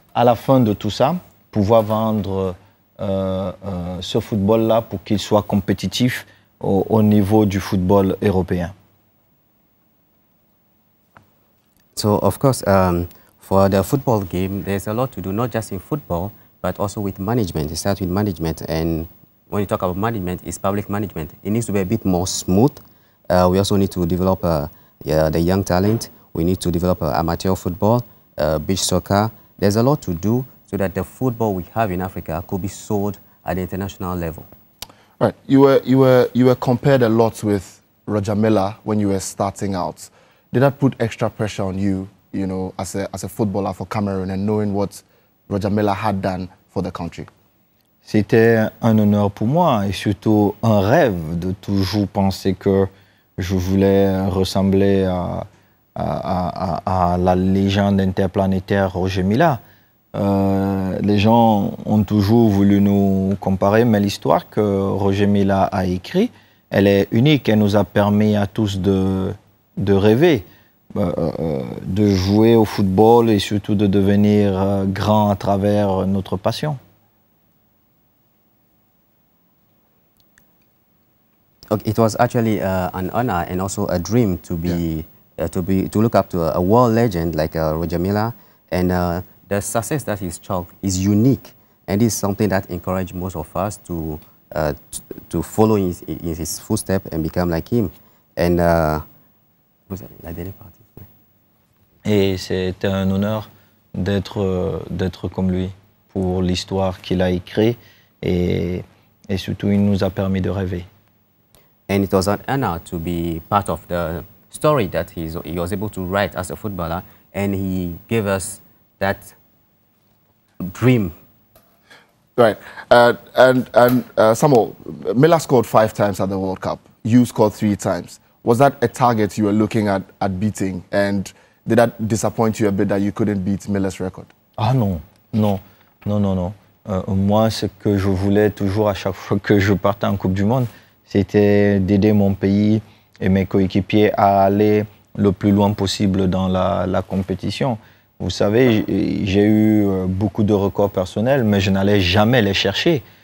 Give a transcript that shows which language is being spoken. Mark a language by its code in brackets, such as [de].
[fr] à la fin de tout ça, pouvoir vendre ce football-là pour qu'il soit compétitif au niveau du football européen. [en] So of course, for the football game, there's a lot to do, not just in football, but also with management. It starts with management, and when you talk about management, it's public management. It needs to be a bit more smooth. We also need to develop the young talent. We need to develop amateur football, beach soccer. There's a lot to do so that the football we have in Africa could be sold at the international level. Right. You were compared a lot with Roger Miller when you were starting out. Did that put extra pressure on you, you know, as a footballer for Cameroon and knowing what Roger Miller had done for the country? [fr] C'était un honneur pour moi et surtout un rêve de toujours penser que je voulais ressembler à la légende interplanétaire Roger Miller. Les gens ont toujours voulu nous comparer, mais l'histoire que Roger Miller a écrite, elle est unique. Elle nous a permis à tous de rêver, de jouer au football et surtout de devenir grand à travers notre passion. [en] Okay, it was actually an honor and also a dream to be, yeah. To look up to a world legend like Roger Miller. And the success that he's chalked is unique. And it's something that encouraged most of us to follow in his footsteps and become like him. And who's that? [fr] La dernière partie. Et c'est un honneur d'être comme lui pour l'histoire qu'il a écrit. Et surtout, il nous a permis de rêver. [en] And it was an honor to be part of the story that he was able to write as a footballer, and he gave us that dream. Right. Samuel, Miller scored 5 times at the World Cup. You scored 3 times. Was that a target you were looking at beating? And did that disappoint you a bit that you couldn't beat Miller's record? [fr] Ah, non. Non. Non, non, non. Moi, ce que je voulais toujours à chaque fois que je partais en Coupe du Monde, c'était d'aider mon pays et mes coéquipiers à aller le plus loin possible dans la compétition. Vous savez, j'ai eu beaucoup de records personnels, mais je n'allais jamais les chercher.